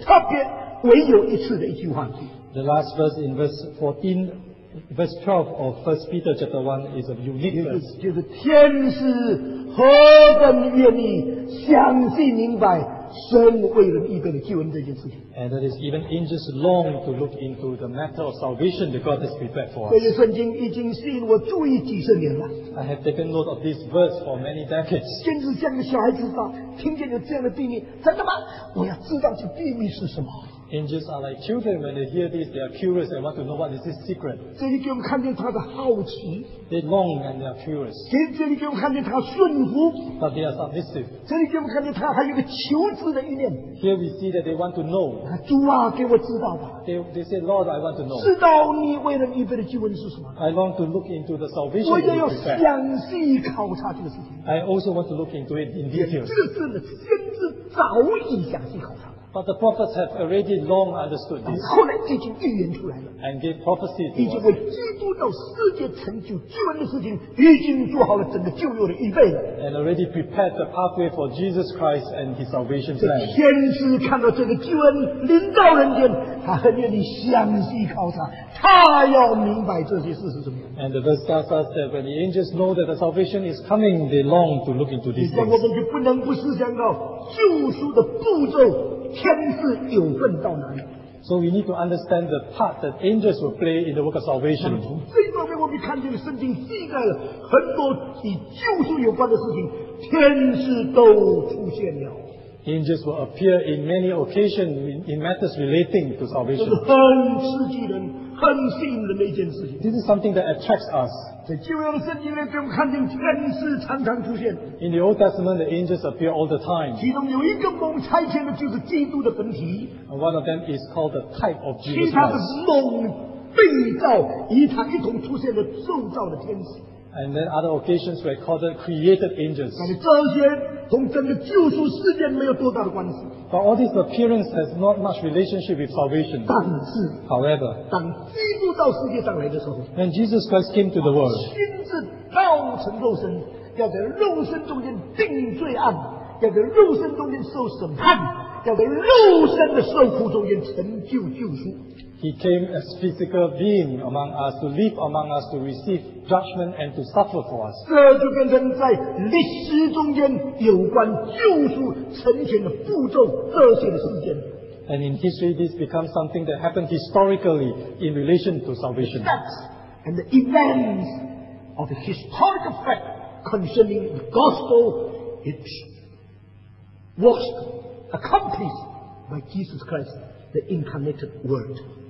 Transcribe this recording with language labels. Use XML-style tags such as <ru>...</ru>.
<zh>所以希伯来书，哎，这个彼得前书第一章第十二节最后一句话，就变成全本圣经特别唯有一次的一句话。</zh> <en>The last verse in verse 14, verse 12 of 1 Peter chapter 1 is a unique verse.</en> <zh>就是天使何等愿意详细明白神为人预备的救恩这件事情。</zh> <en>And it is even angels long to look into the matter of salvation that God has prepared for us.</en> <zh>这些圣经已经吸引我注意几十年了。</zh> <en>I have taken note of this verse for many decades.</en> <zh>甚至像个小孩子说，听见有这样的秘密，真的吗？我要知道这秘密是什么。</zh> <en>Angels are like children when they hear this, they are curious and want to know what is this secret.</en> <zh>这里给我们看见他的好奇。</zh> <en>They long and they are curious.</en> <zh>这里给我们看见他顺服。</zh> <en>But they are submissive.</en> <zh>这里给我们看见他还有个求知的一面。</zh> <en>Here we see that they want to know.</en> <zh>主啊，给我知道吧。</zh> <en>They say, Lord, I want to know.</en> <zh>知道你为人预备的救恩是什么。</zh> <en>I long to look into the salvation.</en> <zh>我也要详细考察这个事情。</zh> <en>I also want to look into it in detail.</en> <zh>先知早已详细考察。</zh> <en>But the prophets have already long understood this.</en> <zh>后来已经预言出来了。</zh> <en>And gave prophecy.</en> <zh>已经为基督到世界成就救恩的事情，已经做好了整个救恩的预备了。</zh> <en>And already prepared the pathway for Jesus Christ and His salvation plan.</en> <zh>天使看到这个救恩临到人间，他很愿意详细考察，他要明白这些事是什么。</zh> <en>And the verse tells us that when the angels know that the salvation is coming, they long to look into these things.</en> <zh>我们就不能不思想到救赎的步骤。天使有份到哪里？</zh> <en>So we need to understand the part that angels will play in the work of salvation.</en> <zh>这方面我们看见圣经记载了很多与救赎有关的事情，天使都出现了。</zh> <en>Angels will appear in many occasions in matters relating to salvation.</en> <zh>这是很刺激人、很吸引人的一件事情。</zh> <en>This is something that attracts us.</en> <zh>在旧约圣经里面，我们看见天使常常出现。</zh> <en>In the Old Testament, the angels appear all the time.</en> <zh>其中有一个蒙差遣的，就是基督的本体。</zh> <en>And one of them is called the type of Jesus.</en> <zh>其他的蒙被造与他一同出现的受造的天使。</zh> <en>And then other occasions were called the created angels.</en> <zh>但是这些同整个救赎事件没有多大的关系。</zh> <en>But all this appearance has not much relationship with salvation.</en> <zh>但是</zh> <en>，However，</en> <zh>当基督到世界上来的时候</zh> <en>，When Jesus Christ came to the world，</en> <zh>亲自道成肉身，要在肉身中间定罪案，要在肉身中间受审判，要在肉身的受苦中间成就救赎。</zh> <en>He came as physical being among us to live among us to receive judgment and to suffer for us.</en> <zh>这就变成在历史中间有关救赎成全的步骤这些的事件。</zh> <en>And in history, this becomes something that happened historically in relation to salvation. The facts and the events of the historical fact concerning the gospel, it was accomplished by Jesus Christ, the incarnated Word.</en>